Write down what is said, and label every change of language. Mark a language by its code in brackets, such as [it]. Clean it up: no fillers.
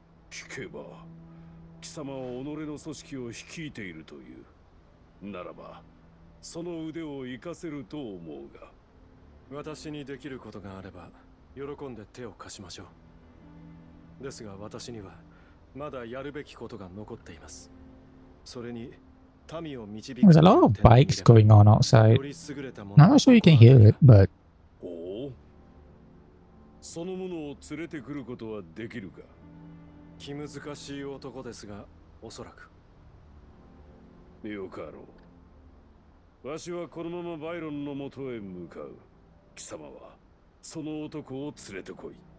[ja] 聞けば貴様は己の組織を率いているというならば、その腕を活かせると思うが。私にできることがあれば喜んで手を貸しましょう。ですが私にはまだやるべきことが残っています。それに [en] There's a lot of bikes going on outside. I'm not sure you can hear it, but. Oh. [ja] そのものを連れてくることはできるか。気難しい男ですが、おそらく。よかろう。わしはこのままバイロンの元へ向かう。貴様はその男を連れてこい。